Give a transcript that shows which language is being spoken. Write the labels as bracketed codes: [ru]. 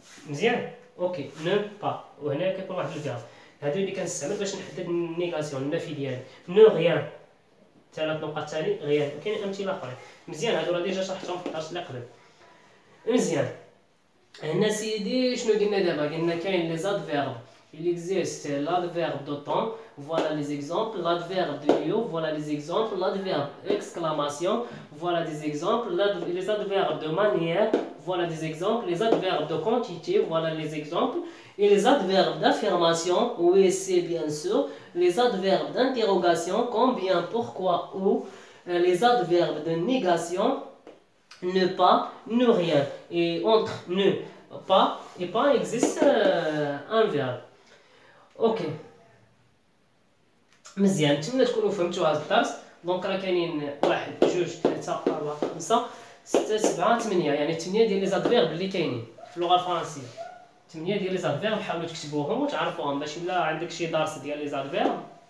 [ar] مزيان اوكي نو با وهنا كيكون واحد الفيرب هادو اللي كنستعمل باش نحدد النيغاسيون النفي ديالي نو غيان ثلاث نقاط ثاني غيان كاين امثله اخرى مزيان هادو راه ديجا شرحتهم في الدرس اللي قبل مزيان هنا سيدي شنو قلنا دابا قلنا كاين لي زاد فيرب [fr] Il existe l'adverbe de temps, voilà les exemples, l'adverbe de lieu, voilà les exemples, l'adverbe exclamation, voilà des exemples, les adverbes de manière, voilà des exemples, les adverbes de quantité, voilà les exemples, et les adverbes d'affirmation, oui, c'est bien sûr, les adverbes d'interrogation, combien, pourquoi, où, les adverbes de négation, ne pas, ne rien, et entre ne, pas, et pas, existe un verbe. اوكي okay. [ar] مزيان تمنى تكونوا فهمتوا هذا الدرس دونك راه كاينين 1 2 3 4 5 6 7 8 يعني 8 ديال لي زادفيرب اللي كاينين في اللغه الفرنسيه 8 ديال لي زادفيرب حاولوا تكتبوهم وتعرفوهم باش الا عندك شي درس ديال لي زادفيرب